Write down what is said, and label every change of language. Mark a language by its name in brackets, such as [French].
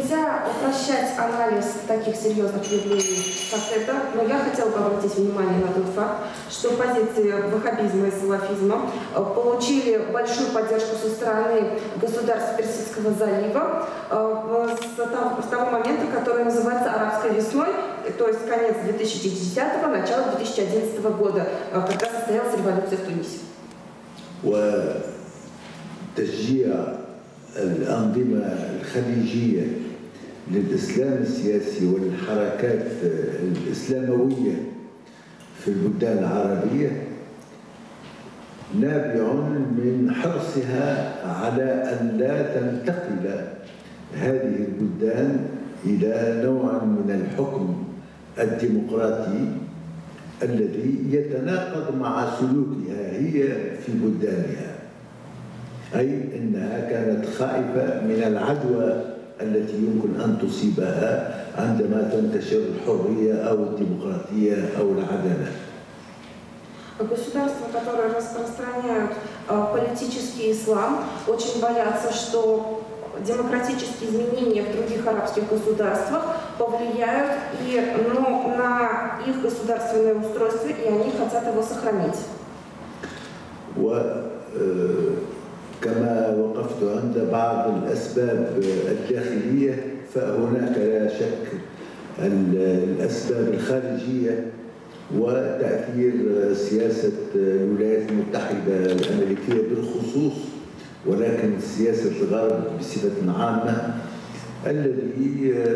[Russian] Нельзя упрощать анализ таких серьезных явлений, как это, но я хотела бы обратить внимание на тот факт, что позиции ваххабизма и салафизма получили большую поддержку со стороны государств Персидского залива с того момента, который называется «Арабской весной», то есть конец 2010-го, начало 2011-го года, когда состоялась революция в Тунисе. [Arabic] تشجيع الأنظمة الخليجية للإسلام السياسي والحركات الإسلاموية في البلدان العربية نابع من حرصها على أن لا تنتقل هذه البلدان إلى نوع من الحكم الديمقراطي الذي يتناقض مع سلوكها هي في بلدانها، أي أنها كانت خائفة من العدوى التي يمكن أن تصيبها عندما تنتشر الحرية أو الديمقراطية أو العدالة. [Russian] Государства, которые распространяют политический ислам, очень боятся, что демократические изменения в других арабских государствах повлияют на их государственное устройство, и они хотят его сохранить. [Arabic] كما وقفت عند بعض الأسباب الداخلية فهناك لا شك الأسباب الخارجية وتأثير سياسة الولايات المتحدة الأمريكية بالخصوص ولكن سياسة الغرب بصفة عامة الذي